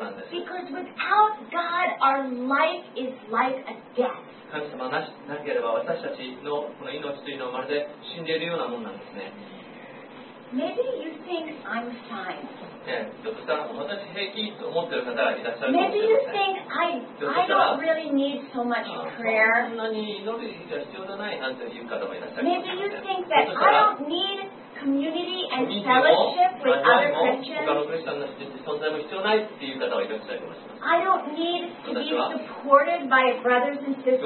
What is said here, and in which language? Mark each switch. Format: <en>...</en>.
<en>Because without God, our life is like a death.</en> <ja>神様なしなければ私たちのこの命というのはまるで死んでいるようなものなんですね。</ja> <en>Maybe you think I'm fine.</en> <ja>ちょっとしたら私平気と思っている方がいらっしゃるかもしれません。</ja> <en>Maybe you think I don't really need so much prayer.</en> <ja>そんなに祈る必要じゃないなんていう方もいらっしゃる。</ja> <en>Maybe you think that I don't need community and fellowship with other Christians.</en> <ja>他のクリスチャンの存在も必要ないっていう方もいらっしゃるかもしれません。</ja> <en>I don't need to be supported by brothers and sisters.</en>